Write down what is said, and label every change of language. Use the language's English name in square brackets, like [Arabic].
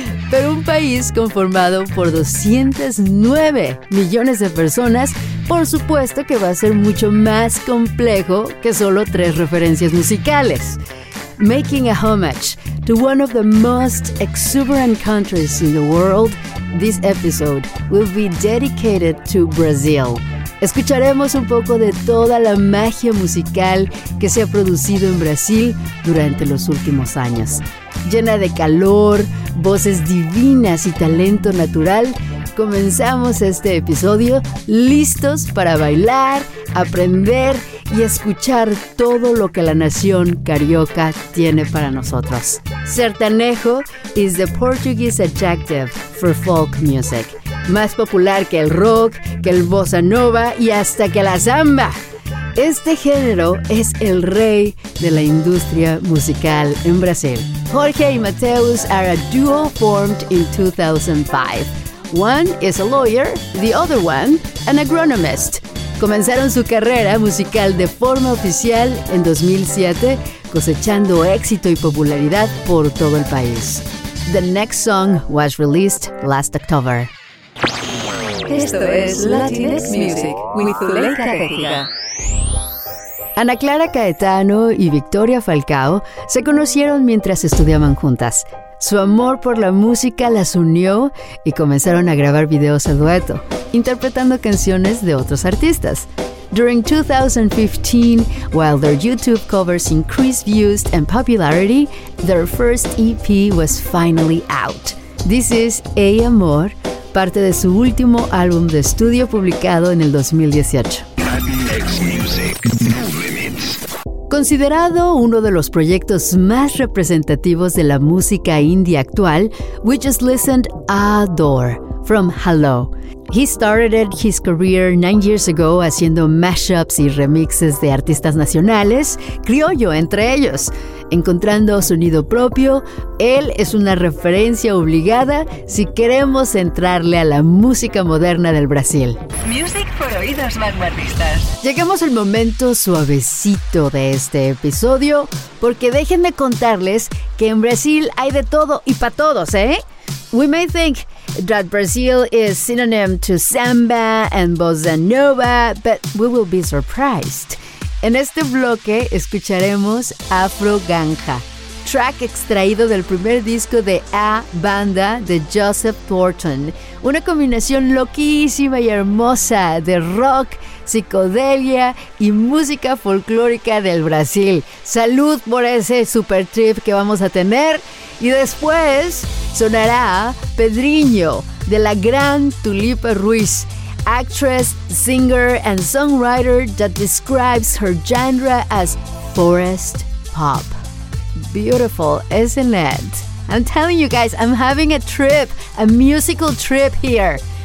[Spanish] Pero un país conformado por 209 millones de personas, por supuesto que va a ser mucho más complejo que solo tres referencias musicales. [English] Making a homage to one of the most exuberant countries in the world, this episode will be dedicated to Brazil. [Spanish] Escucharemos un poco de toda la magia musical que se ha producido en Brasil durante los últimos años. Llena de calor, voces divinas y talento natural, comenzamos este episodio listos para bailar, aprender y escuchar todo lo que la nación carioca tiene para nosotros. [English] Sertanejo is the Portuguese adjective for folk music, [Spanish] más popular que el rock, que el bossa nova y hasta que la samba. Este género es el rey de la industria musical en Brasil. [English] Jorge y Mateus are a duo formed in 2005. One is a lawyer, the other one an agronomist. [Spanish] Comenzaron su carrera musical de forma oficial en 2007, cosechando éxito y popularidad por todo el país. [English] The next song was released last October. [Spanish] Esto es Latinx Music with Zuleika Cajiga. Ana Clara Caetano y Victoria Falcao se conocieron mientras estudiaban juntas. Su amor por la música las unió y comenzaron a grabar videos a dueto, interpretando canciones de otros artistas. [English] During 2015, while their YouTube covers increased views and popularity, their first EP was finally out. This is [Spanish] Ey Amor, parte de su último álbum de estudio publicado en el 2018. Considerado uno de los proyectos más representativos de la música indie actual, [English] we just listened [Spanish] Adore from Hello. [English] He started his career 9 years ago [Spanish] haciendo mashups y remixes de artistas nacionales, criollo entre ellos. Encontrando sonido propio, él es una referencia obligada si queremos entrarle a la música moderna del Brasil. [English] Music for [Spanish] oídos vanguardistas. Llegamos al momento suavecito de este episodio, porque déjenme contarles que en Brasil hay de todo y para todos, ¿eh? [English] We may think that Brazil is synonym to samba and bossa nova, but we will be surprised. [Spanish] En este bloque escucharemos Afro Ganja, track extraído del primer disco de A Banda de Joseph Thornton, una combinación loquísima y hermosa de rock, psicodelia y música folclórica del Brasil. Salud por ese super trip que vamos a tener. Y después sonará Pedrinho de la gran Tulipa Ruiz, [English] actress, singer and songwriter that describes her genre as forest pop. Beautiful, isn't it? I'm telling you guys, I'm having a trip, a musical trip here.